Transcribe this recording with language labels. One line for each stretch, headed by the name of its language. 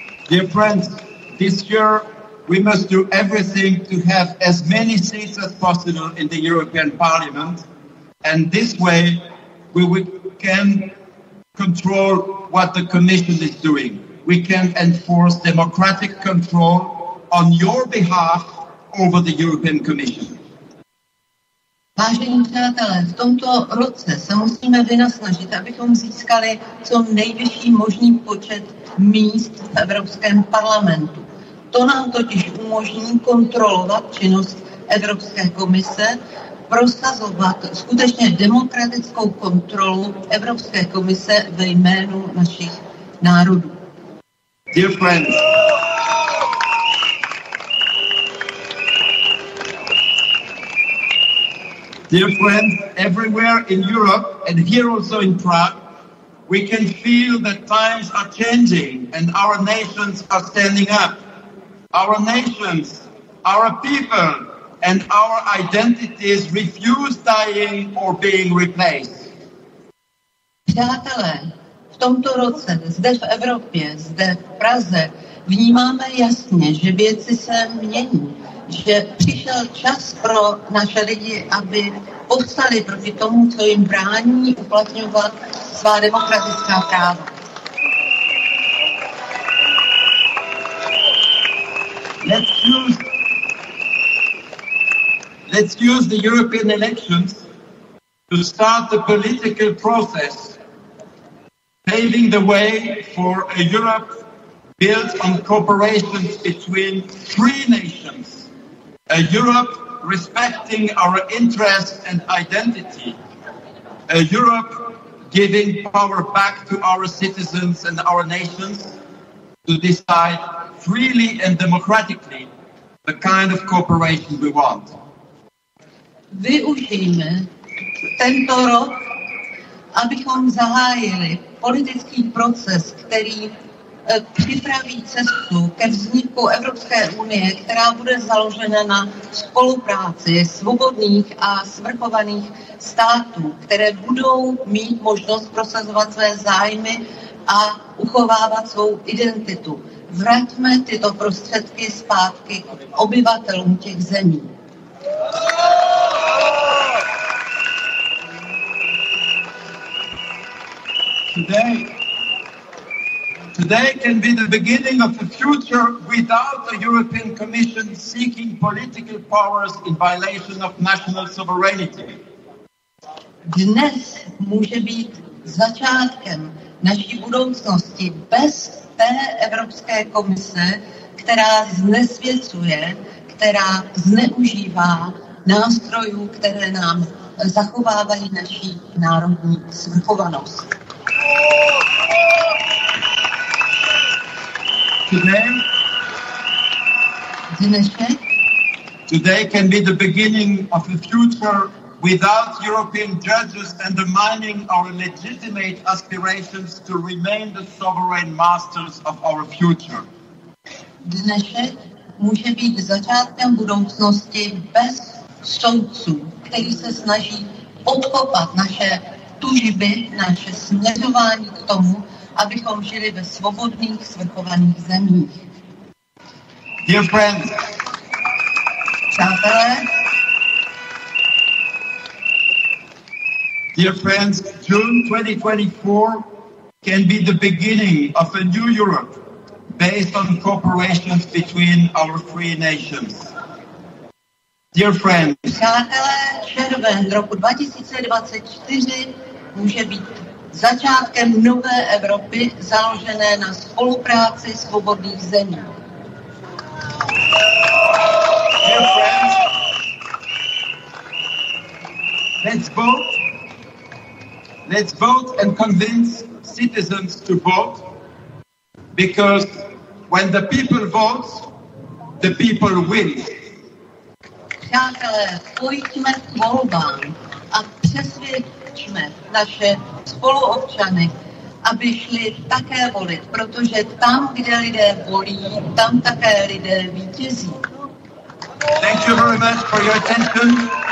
English: Dear friends, this year we must do everything to have as many seats as possible in the European Parliament, and this way we can control what the Commission is doing. We can enforce democratic control on your behalf over the European Commission.
Czech: Vážení přátelé, v tomto roce se musíme vynasnažit, abychom získali co nejvyšší možný počet míst v Evropském parlamentu. To nám totiž umožní kontrolovat činnost Evropské komise, prosazovat skutečně demokratickou kontrolu Evropské komise ve jménu našich národů.
English: Dear friends, everywhere in Europe and here also in Prague, we can feel that times are changing and our nations are standing up. Our nations our people and our identities refuse dying or being replaced.
Czech: Přátelé, v tomto roce, zde v Evropě, zde v Praze, vnímáme jasně, že věci se mění, že přišel čas pro naše lidi, aby povstali proti tomu, co jim brání uplatňovat svá demokratická práva.
English: Let's use the European elections to start the political process, paving the way for a Europe built on cooperation between free nations, a Europe respecting our interests and identity, a Europe giving power back to our citizens and our nations to decide freely and democratically the kind of cooperation we want.
Czech: Využijme tento rok, abychom zahájili politický proces, který připraví cestu ke vzniku Evropské unie, která bude založena na spolupráci svobodných a svrchovaných států, které budou mít možnost prosazovat své zájmy a uchovávat svou identitu. Vraťme tyto prostředky zpátky obyvatelům těch zemí.
English: Today can be the beginning of a future without the European Commission seeking political powers in violation of national sovereignty.
Czech: Dnes může být začátkem naší budoucnosti bez té Evropské komise, která znesvěcuje, která zneužívá nástrojů, které nám zachovávají naši národní svrchovanost.
English: Today can be the beginning of a future without European judges undermining our legitimate aspirations to remain the sovereign masters of our future.
Czech: Dnešek může být začátkem budoucnosti bez soudců, který se snaží odkopat naše tužby, naše směřování k tomu, abychom žili ve svobodných, svrchovaných zemích.
English: Dear friends,
Czech: přátelé,
English: dear friends, June 2024 can be the beginning of a new Europe based on cooperation between our free nations. Dear friends,
Czech: přátelé, červen roku 2024 může být začátkem nové Evropy založené na spolupráci svobodných zemí.
English: Dear friends, let's vote and convince citizens to vote, because when the people vote, the people win.
Czech: Přátelé, pojďme k volbám a přesvědčme naše spoluobčany, aby šli také volit, protože tam, kde lidé volí, tam také lidé vítězí.
English: Thank you very much for your attention.